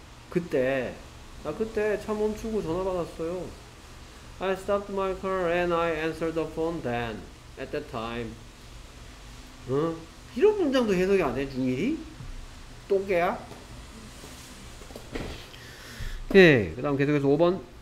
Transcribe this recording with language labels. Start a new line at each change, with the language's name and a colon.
Korean: 그때 나 그때 차 멈추고 전화 받았어요.
English: I stopped my car and I answered the phone then at that time.
Korean: 응? 이런 문장도 해석이 안 돼 중일이? 똥개야? 오케이 그 다음 계속해서 5번